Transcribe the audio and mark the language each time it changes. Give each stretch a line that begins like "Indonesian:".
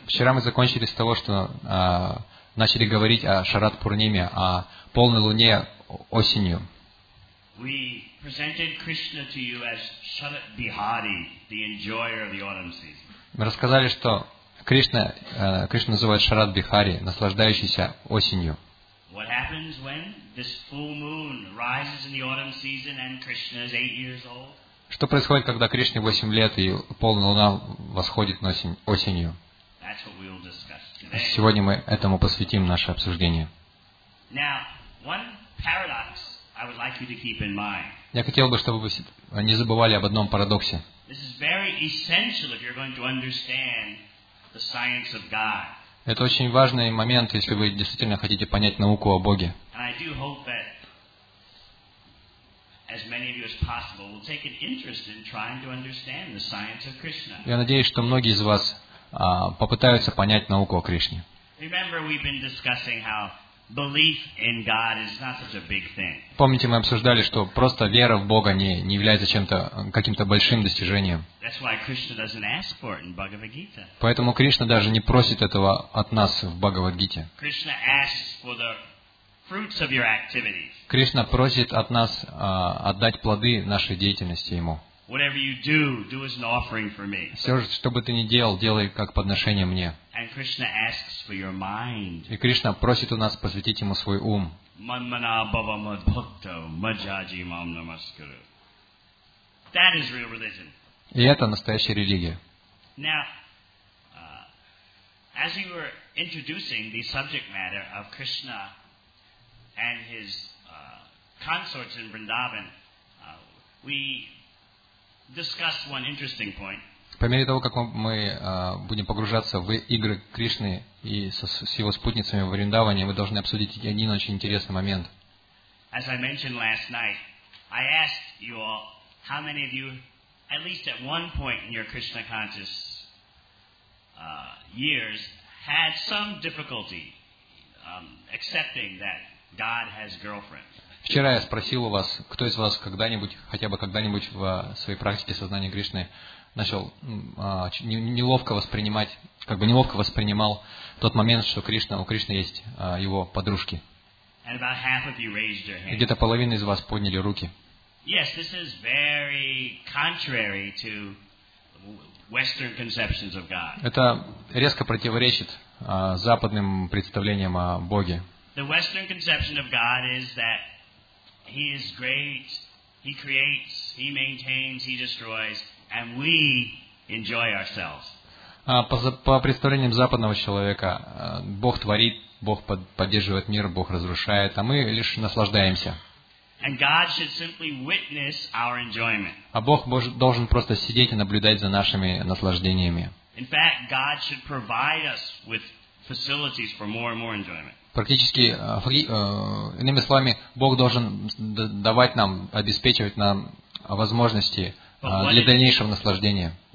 Russian: Вчера мы закончили с того, что начали говорить о Шарат Пурниме, о полной луне осенью.
English: We presented Krishna to you as Sharat Bihari, the enjoyer of the autumn season.
Russian: Мы рассказали, что Кришна называют Шарат Бихари, наслаждающийся осенью.
English: What happens when this full moon rises in the autumn season and Krishna is 8 years old?
Russian: Что происходит, когда Кришне 8 лет и полная луна восходит осенью?
English: That's what we'll discuss today.
Russian: Сегодня мы этому посвятим наше обсуждение.
English: Now, one paradox I would like you to keep in mind.
Russian: Я хотел бы, чтобы вы не забывали об одном парадоксе.
English: This is very essential if you're going to understand the science of God.
Russian: Это очень важный момент, если вы действительно хотите понять науку о Боге.
English: And I do hope that as many of you as possible will take an interest in trying to understand the science of Krishna.
Russian: Я надеюсь, что многие из вас попытаются понять науку о Кришне.
English: Remember, we've been discussing how belief in God is not such a big thing.
Russian: Помните, мы обсуждали, что просто вера в Бога не является чем-то каким-то большим достижением.
English: That's why Krishna doesn't ask for it in Bhagavad Gita.
Russian: Поэтому Кришна даже не просит этого от нас в Бхагавад-гите.
English: Krishna asks for the fruits of your activities.
Russian: Кришна просит от нас отдать плоды нашей деятельности ему.
English: Whatever you do, do as an offering for me.
Russian: Все, что бы ты ни делал, делай как подношение мне.
English: And Krishna asks for your mind.
Russian: И Кришна просит у нас посвятить ему свой ум.
Sanskrit: Manmana bhava madbhakto majaji mam namaskaru.
English: That is real religion.
Russian: И это настоящая религия.
English: Now, as we were introducing the subject matter of Krishna and his consorts in Vrindavan, we discussed one interesting point.
Russian: По мере того, как мы будем погружаться в игры Кришны и с его спутницами в Вриндаване, мы должны обсудить один очень интересный момент.
English: As I mentioned last night, I asked you all how many of you, at least at one point in your Krishna conscious years, had some difficulty accepting that God has girlfriends.
Russian: Вчера я спросил у вас, кто из вас когда-нибудь в своей практике сознания Кришны начал неловко воспринимал тот момент, что у Кришны есть его подружки. И где-то половина из вас подняли руки.
English: Yes, this is very contrary to Western conceptions of God.
Russian: Это резко противоречит западным представлениям о Боге.
English: The Western conception of God is that He is great. He creates. He maintains. He destroys, and we enjoy ourselves.
Russian: По представлениям западного человека, Бог творит, Бог поддерживает мир, Бог разрушает, а мы лишь наслаждаемся.
English: And God should simply witness our enjoyment.
Russian: А Бог должен просто сидеть и наблюдать за нашими наслаждениями.
English: In fact, God should provide us with facilities for more and more enjoyment.
Russian: Практически, иными словами, Бог должен давать нам, обеспечивать нам возможности для дальнейшего наслаждения.